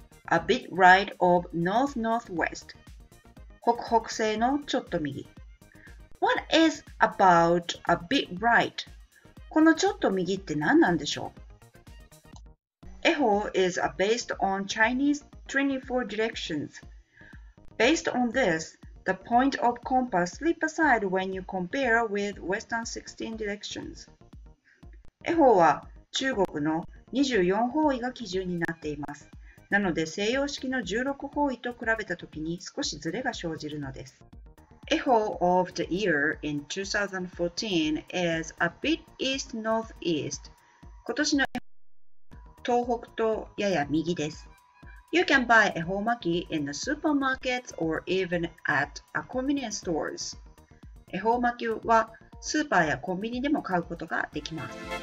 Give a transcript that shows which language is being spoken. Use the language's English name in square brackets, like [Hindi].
[English] A bit right of north-northwest. [Japanese] 北北西のちょっと右。 [English] What is about a bit right? [Japanese] このちょっと右って何なんでしょう? [English] 恵方 is based on Chinese 24 directions. Based on this,The point of compass slip aside when you compare with Western 16 directions. [Japanese] 恵方は中国の24方位が基準になっています。なので西洋式の16方位と比べたときに少しずれが生じるのです。 [English] 恵方 of the year in 2014 is a bit east-northeast. [Japanese] 今年の恵方は東北とやや右です。 [English] You can buy 恵方巻き in the supermarkets or even at a convenience stores. [Japanese] 恵方巻きはスーパーやコンビニでも買うことができます。